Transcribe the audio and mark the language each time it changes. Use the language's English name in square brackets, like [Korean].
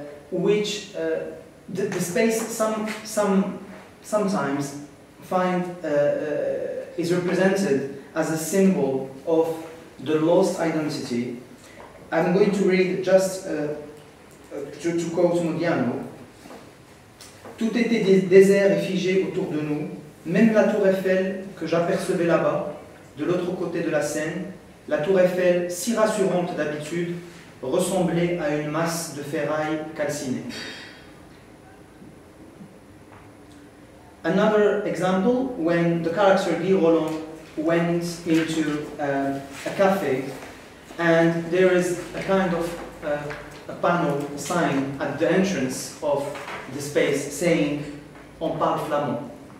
[English] The space sometimes find is represented as a symbol of the lost identity. I'm going to read just to quote Modiano. [French] Tout était désert et figé autour de nous, même la tour Eiffel que j'apercevais là-bas, de l'autre côté de la Seine, la tour Eiffel, si rassurante d'habitude, ressemblait à une masse de ferraille calcinée. [English] Another example, when the character Guy Roland went into a cafe and there is a kind of a panel, a sign at the entrance of the space saying, [French] on parle flamand.